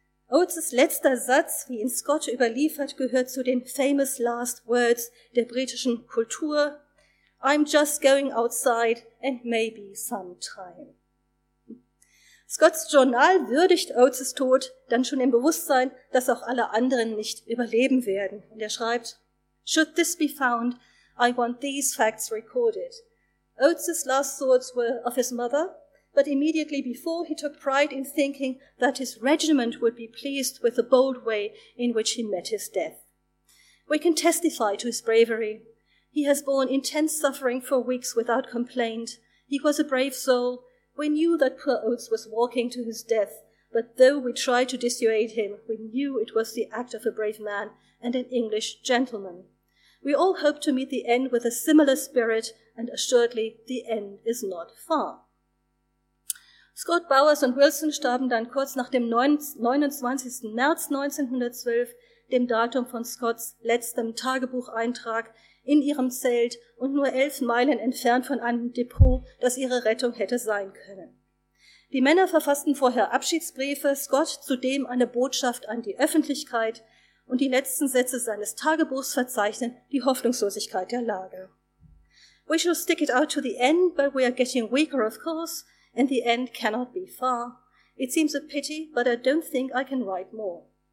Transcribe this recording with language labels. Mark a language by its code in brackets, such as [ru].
[de] Oates' letzter Satz, wie ihn Scott überliefert, gehört zu den [en] famous last words [de] der britischen Kultur. [en] I'm just going outside and maybe sometime. [de] Scotts Journal würdigt Oates' Tod dann schon im Bewusstsein, dass auch alle anderen nicht überleben werden. Und er schreibt, [en] Should this be found, I want these facts recorded. Oates' last thoughts were of his mother, but immediately before he took pride in thinking that his regiment would be pleased with the bold way in which he met his death. We can testify to his bravery. He has borne intense suffering for weeks without complaint. He was a brave soul. We knew that poor Oates was walking to his death, but though we tried to dissuade him, we knew it was the act of a brave man and an English gentleman. We all hope to meet the end with a similar spirit, and assuredly the end is not far. [de] Scott Bowers und Wilson starben dann kurz nach dem 29. März 1912, dem Datum von Scotts letztem Tagebucheintrag, in ihrem Zelt und nur 11 Meilen entfernt von einem Depot, das ihre Rettung hätte sein können. Die Männer verfassten vorher Abschiedsbriefe, Scott zudem eine Botschaft an die Öffentlichkeit und die letzten Sätze seines Tagebuchs verzeichnen die Hoffnungslosigkeit der Lage. [en] We shall stick it out to the end, but we are getting weaker, of course, and the end cannot be far. It seems a pity, but I don't think I can write more.